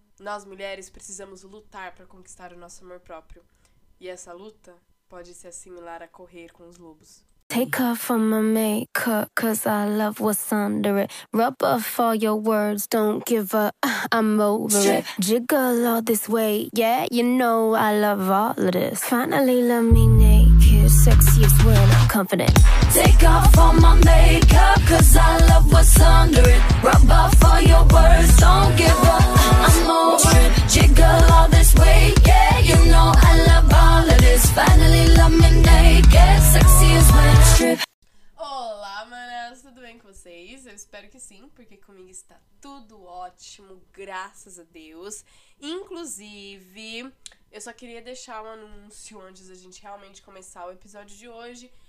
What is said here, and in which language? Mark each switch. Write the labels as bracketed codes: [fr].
[pt] Nós mulheres precisamos lutar para conquistar o nosso amor próprio. E essa luta pode se assimilar a correr com os lobos. [en] Take off all my makeup, cause I love what's under it. Rub off all your words, don't give a, I'm over it. Jiggle all this way, yeah, you know I love all of this. Finally love me naked, sexiest when I'm confident. Take off all my makeup, cause I love what's under it. Rub off all your words, don't give a, I'm over it. Jiggle all this way, yeah, you know I love all of this. Finally love me naked, sexiest when I'm strip. [pt] Olá, manas, tudo bem com vocês? Eu espero que sim, porque comigo está tudo ótimo, graças a Deus. Inclusive, eu só queria deixar um anúncio antes da gente realmente começar o episódio de hoje.